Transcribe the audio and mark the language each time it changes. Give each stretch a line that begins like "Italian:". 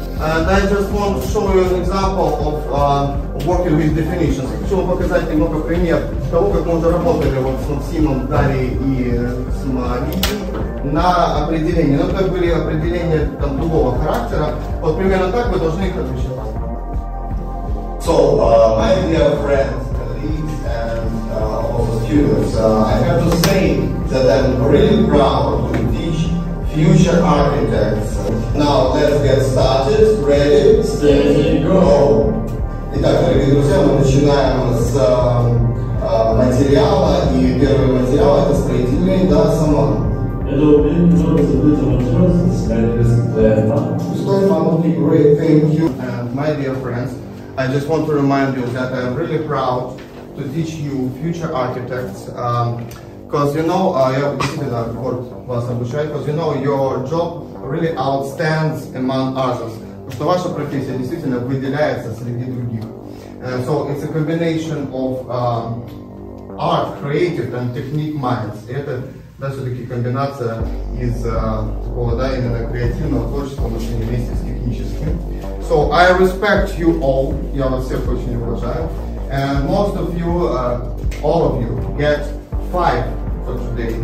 English: And I just want to show you an example of working with definitions.
Russian: Хочу вам показать немного пример того, как мы уже работали вот с Максимом, Дарьей и с Марией на определение. Ну, как были определения там другого характера. Вот примерно так вы должны их отвечать.
English: So, my dear friends, colleagues, and also students, I have to say that I'm really proud to teach future architects. Now, let's get started. Ready? Steady, go!
Russian: Итак, дорогие друзья, мы начинаем с материала, и первый материал это строительный, да, сама.
English: Hello, this is Stefan. Stefan, okay, great, thank you. And my dear friends, I just want to remind you that I'm really proud to teach you future architects. Because you know, your job really outstands among others.
Russian: Потому что ваша профессия действительно выделяется среди других.
English: So it's a combination of art, creative and technique minds.
Russian: Да, все-таки комбинация из такого, да, именно креативного творчества, но еще не вместе с техническим.
English: So, I respect you all,
Russian: я вас всех очень уважаю.
English: And most of you, all of you, get 5 for today.